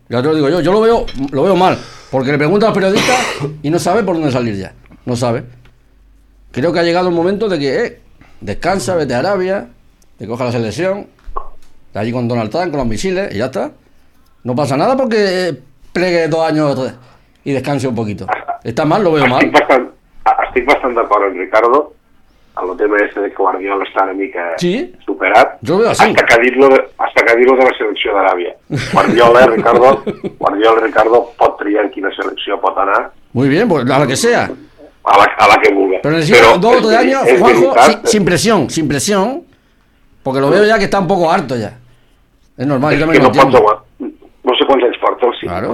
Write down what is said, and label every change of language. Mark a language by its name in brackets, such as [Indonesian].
[Spanish] Ya te lo digo yo lo veo mal, porque le pregunta a los periodistas y no sabe por dónde salir ya, no sabe. Creo que ha llegado el momento de que descansa, vete a Arabia, te coja la selección, está allí con Donald Trump, con los misiles y ya está. No pasa nada porque plegue 2 años o 3 y descanse un poquito. Está mal, lo veo mal. [Catalan] Estic bastant d'acord amb Ricardo, amb el tema este de que Guardiola està una mica superat. Jo ho veig així. [Spanish] Hasta que [Catalan] ha dit-lo de la selecció d'Aràbia. Guardiola, Ricardo, pot triar en quina selecció pot anar. [Spanish] Muy bien, pues a la que sea. [Catalan] A la que vulgui. Però necessito 2 o 3 anys, [Spanish] Juanjo, sin presión, porque lo veo ya que está un poco harto ya. Es normal, yo me lo entiendo. [Catalan] Es que no sé quants anys porta el 5, claro.